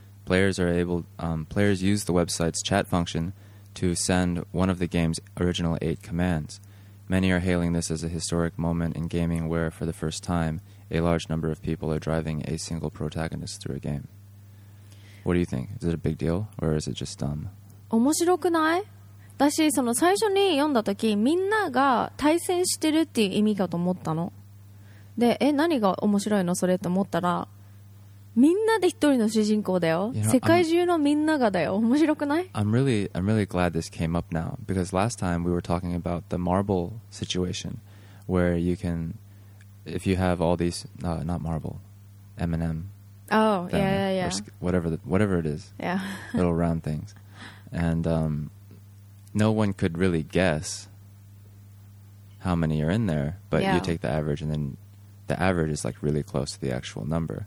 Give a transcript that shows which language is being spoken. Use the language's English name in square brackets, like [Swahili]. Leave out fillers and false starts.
[English] Players use the website's chat function to send one of the game's original 8 commands. Many are hailing this as a historic moment in gaming where, for the first time, a large number of people are driving a single protagonist through a game. What do you think? Is it a big deal? Or is it just dumb? [Japanese] 面白くない? 私、 その 最初に読んだ時、 みんなが対戦してるっていう意味かと思ったの。で、 え、 何が面白いのそれって思ったら、 みんなで一人の主人公だよ。世界中のみんながだよ。面白くない? [English] I'm really glad this came up now, because last time we were talking about the marble situation where you can, if you have all these, not marble, M&M. Oh, yeah. Whatever it is. Yeah. Little round things. And no one could really guess how many are in there, but you take the average and then the average is like really close to the actual number.